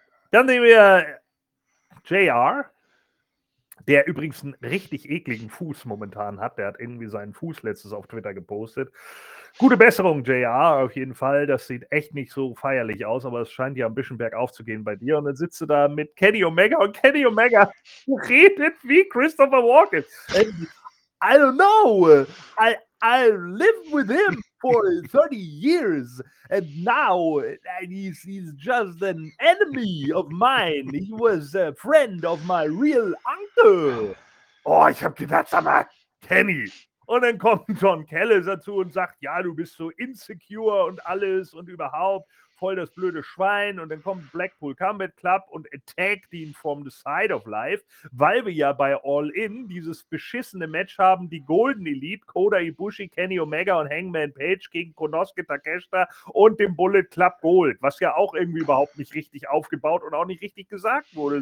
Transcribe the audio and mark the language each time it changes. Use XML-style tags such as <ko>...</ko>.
<de>Dann sehen wir JR, der übrigens einen richtig ekligen Fuß momentan hat. Der hat irgendwie seinen Fuß letztens auf Twitter gepostet. Gute Besserung, JR, auf jeden Fall. Das sieht echt nicht so feierlich aus, aber es scheint ja ein bisschen bergauf zu gehen bei dir. Und dann sitzt du da mit Kenny Omega und Kenny Omega redet wie Christopher Walken.</de> <en>I don't know. I lived with him for 30 years and now he's just an enemy of mine. He was a friend of my real uncle.</en> <de>Oh, ich hab gedacht, sag mal, Kenny. Und dann kommt John Callis dazu und sagt, ja, du bist so insecure und alles und überhaupt voll das blöde Schwein. Und dann kommt Blackpool Combat Club und attackt ihn</de> <en>from the side of life,</en> <de>weil wir ja bei All In dieses beschissene Match haben, die Golden Elite, Kota Ibushi, Kenny Omega und Hangman Page gegen Konosuke Takeshita und dem Bullet Club Gold, was ja auch irgendwie überhaupt nicht richtig aufgebaut und auch nicht richtig gesagt wurde.</de>